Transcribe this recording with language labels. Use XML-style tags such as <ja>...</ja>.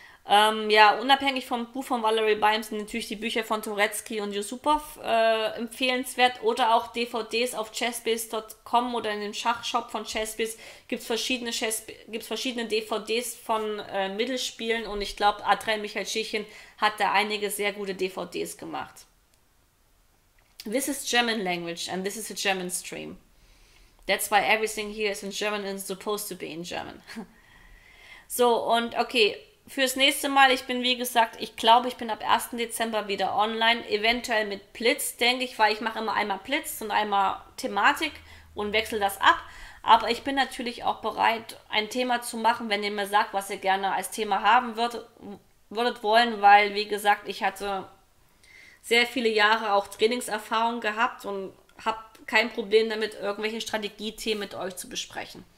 <de>Ja, unabhängig vom Buch von Valerie Byrne sind natürlich die Bücher von Toretzky und Yusupov empfehlenswert oder auch DVDs auf chessbase.com oder in dem Schachshop von Chessbase gibt es verschiedene DVDs von Mittelspielen und ich glaube, Adrian Michalschichin hat da einige sehr gute DVDs gemacht.</de> <en>This is German language and this is a German stream. That's why everything here is in German and supposed to be in German.</en> <de>So, und okay. Fürs nächste Mal, ich bin wie gesagt, ich glaube, ich bin ab 1. Dezember wieder online, eventuell mit Blitz, denke ich, weil ich mache immer einmal Blitz und einmal Thematik und wechsle das ab. Aber ich bin natürlich auch bereit, ein Thema zu machen, wenn ihr mir sagt, was ihr gerne als Thema haben würdet wollen, weil wie gesagt, ich hatte sehr viele Jahre auch Trainingserfahrung gehabt und habe kein Problem damit, irgendwelche Strategiethemen mit euch zu besprechen.</de>